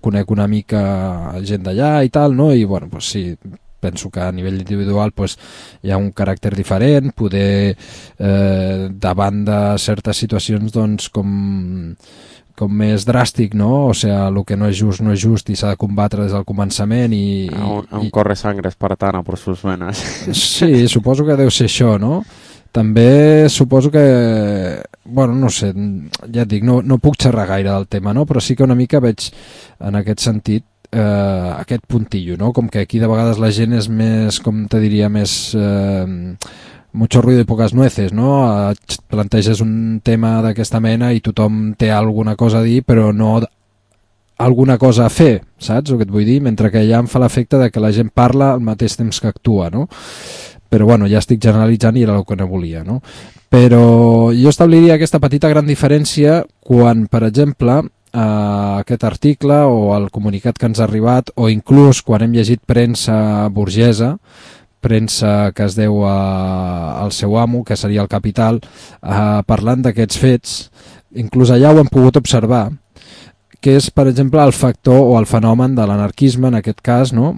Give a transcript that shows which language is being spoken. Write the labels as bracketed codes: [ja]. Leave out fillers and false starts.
[ca] Conec una mica gent d'allà i tal, no? I bueno, pues sí, penso que a nivell individual pues, hi ha un caràcter diferent, poder, davant de certes situacions, doncs, com més dràstic, no? O sea, el que no és just, no és just, i s'ha de combatre des del començament i... [es] On corre sangre, espartana, por sus venas. [ca] Sí, suposo que deu ser això, no? També suposo que... Bueno, no sé, ja et dic, no puc xerrar gaire del tema, no? Però sí que una mica veig, en aquest sentit, aquest puntillo, no? Com que aquí de vegades la gent és més, com te diria, més... [es] mucho ruido y pocas nueces, no? [ca] Planteges un tema d'aquesta mena i tothom té alguna cosa a dir, però no alguna cosa a fer, saps el que et vull dir? Mentre que ja em fa l'efecte de que la gent parla al mateix temps que actua, no? Però bueno, ja estic generalitzant i era el que no volia, no? Però jo establiria aquesta petita gran diferència quan, per exemple, aquest article o el comunicat que ens ha arribat, o inclús quan hem llegit premsa burgesa, premsa que es deu al seu amo, que seria el Capital, parlant d'aquests fets, inclús allà ho hem pogut observar, que és, per exemple, el factor o el fenomen de l'anarquisme, en aquest cas, no?